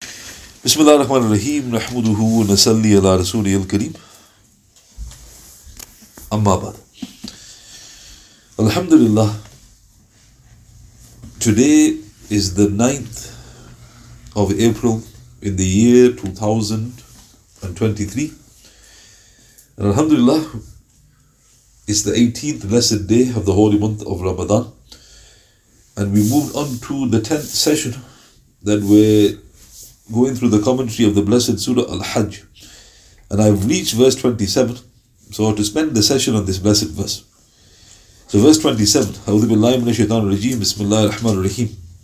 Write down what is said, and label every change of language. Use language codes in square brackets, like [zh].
[ar] بسم الله الرحمن الرحيم نحمده ونصلي على رسوله الكريم أما بعد الحمد لله. [en] Today is the 9th of April in the year 2023. And alhamdulillah, it's the 18th blessed day of the holy month of Ramadan. And we moved on to the 10th session that we're going through the commentary of the blessed Surah Al-Hajj. And I've reached verse 27, so to spend the session on this blessed verse. So verse 27, [ar] أعوذ بالله من الشيطان الرجيم بسم الله الرحمن الرحيم.